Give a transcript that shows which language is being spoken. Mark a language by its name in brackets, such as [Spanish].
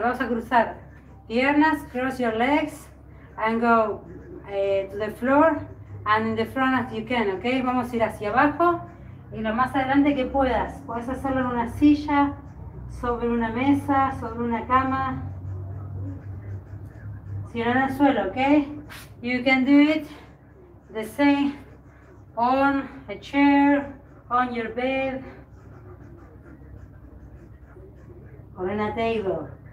[Spanish] Vamos a cruzar piernas, [English] cross your legs, and go to the floor, and in the front as you can, ¿ok? [Spanish] Vamos a ir hacia abajo y lo más adelante que puedas. Puedes hacerlo en una silla, sobre una mesa, sobre una cama. Si no, en el suelo, ¿ok? [English] You can do it the same on a chair, on your bed, or in a table.